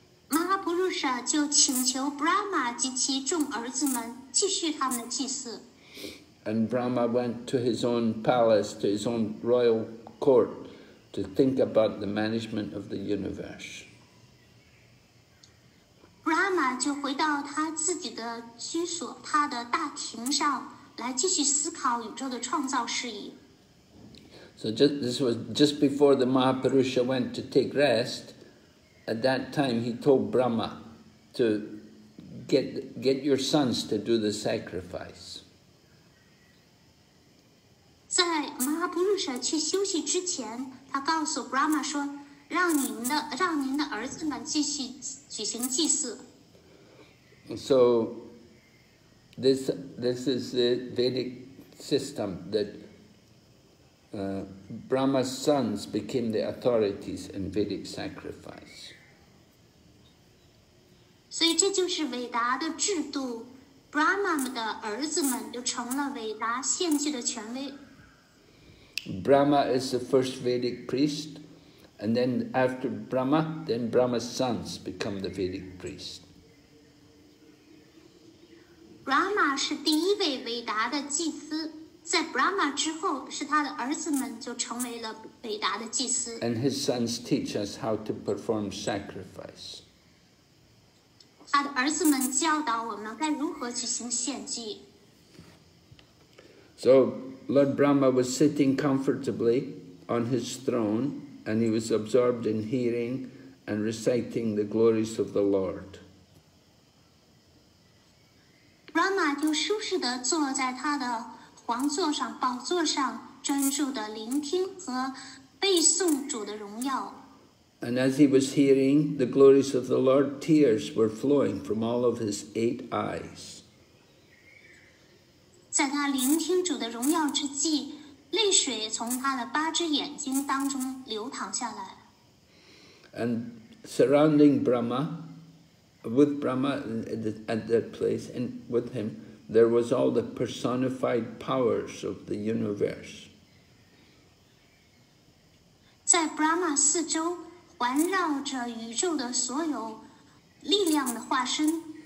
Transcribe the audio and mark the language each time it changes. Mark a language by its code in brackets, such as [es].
[zh] Mahapurusha 就请求 Brahma 及其众儿子们继续他们的祭祀。 [en] And Brahma went to his own palace, to his own royal court, to think about the management of the universe. [zh] Brahma 就回到他自己的居所，他的大庭上来继续思考宇宙的创造事宜。 [en] So this was just before the Mahapurusha went to take rest. At that time, he told Brahma to get your sons to do the sacrifice. [zh] 在 Mahapurusha 去休息之前，他告诉 Brahma 说：“让您的儿子们继续举行祭祀。” [en] So, this is the Vedic system that Brahma's sons became the authorities in Vedic sacrifice. [zh] 所以这就是伟达的制度 ，Brahma 的儿子们就成了伟达献祭的权威。 [en] Brahma is the first Vedic priest, and then after Brahma, then Brahma's sons become the Vedic priest. [zh] Brahma 是第一位伟达的祭司，在 Brahma 之后，是他的儿子们就成为了伟达的祭司。 [en] And his sons teach us how to perform sacrifice. [zh] 他的儿子们教导我们该如何举行献祭。 [en] So. Lord Brahma was sitting comfortably on his throne and he was absorbed in hearing and reciting the glories of the Lord. [zh] Brahma 就舒适地坐在他的皇座上、宝座上，专注地聆听和背诵主的荣耀。 [en] And as he was hearing the glories of the Lord, tears were flowing from all of his eight eyes. [zh] 在他聆听主的荣耀之际，泪水从他的八只眼睛当中流淌下来。 [en] And surrounding Brahma, with Brahma at that place and with him, there was all the personified powers of the universe. [zh] 在 Brahma 四周环绕着宇宙的所有力量的化身。